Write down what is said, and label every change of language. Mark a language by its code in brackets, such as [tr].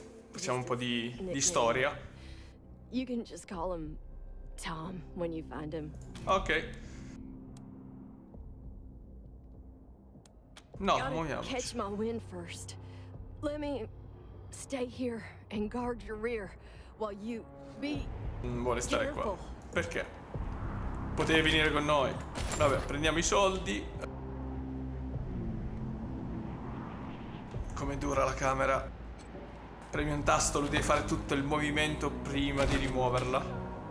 [it] Facciamo un po' di storia. [en] You can just call him Tom when you find him. Ok. [it] No, muoviamoci. [en] Catch my wind first. Let me stay here and guard your rear while you be. [it] Vuole stare qua. Perché? Potevi venire con noi. Vabbè, prendiamo i soldi. Come dura la camera. Premi un tasto, lui deve fare tutto il movimento prima di rimuoverla.